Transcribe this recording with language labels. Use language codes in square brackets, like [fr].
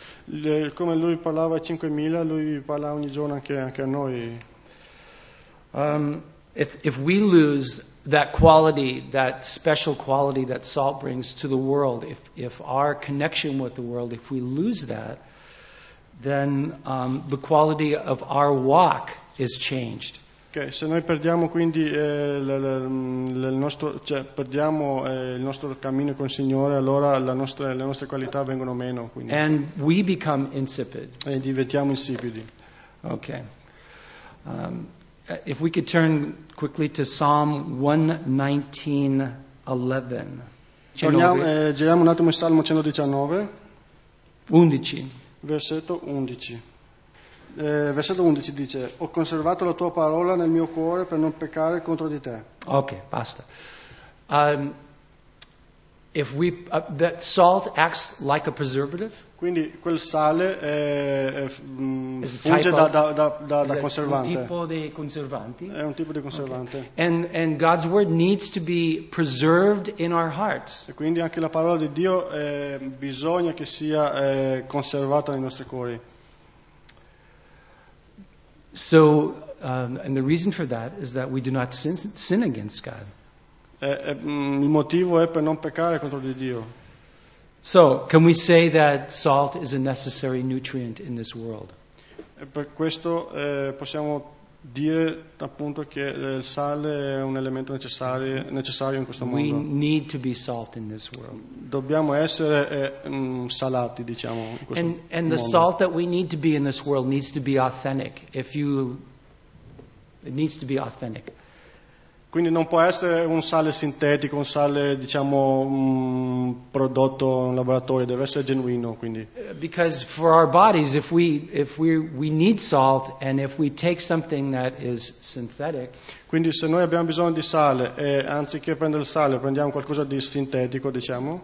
[it] Come lui parlava ai 5,000, lui parla ogni giorno anche a noi. [en] If we lose that quality, that special quality that salt brings to the world, if our connection with the world, if we lose that, then the quality of our walk is changed. [it] Okay, se noi perdiamo quindi il nostro cammino con il Signore, allora le nostre qualità vengono meno. Quindi. [en] And we become insipid. [it] E diventiamo insipidi. [en] Okay. If we could turn quickly to Psalm 119:11. [it] Giriamo un attimo il Salmo 119. 11. Versetto 11. Versetto 11 dice: ho conservato la tua parola nel mio cuore per non peccare contro di te. Ok, basta. [en] That salt acts like a preservative. [it] Quindi quel sale funge da conservante. È un tipo di conservanti. È un tipo di conservante. [en] Okay. And God's word needs to be preserved in our hearts. [it] E quindi anche la parola di Dio bisogna che sia conservata nei nostri cuori. [en] So, and the reason for that is that we do not sin against God. [it] Il motivo è per non peccare contro di Dio. [en] So, can we say that salt is a necessary nutrient in this world? [it] Per questo possiamo dire appunto che il sale è un elemento necessario in questo mondo. [en] We need to be salt in this world. [it] Dobbiamo essere salati, diciamo, in questo mondo. [en] And the salt that we need to be in this world needs to be authentic. It needs to be authentic. [it] Quindi non può essere un sale sintetico, un sale, diciamo, prodotto in laboratorio, deve essere genuino, quindi. [en] Because for our bodies, if we need salt, and if we take something that is synthetic. [it] Quindi se noi abbiamo bisogno di sale, e anziché prendere il sale, prendiamo qualcosa di sintetico, diciamo.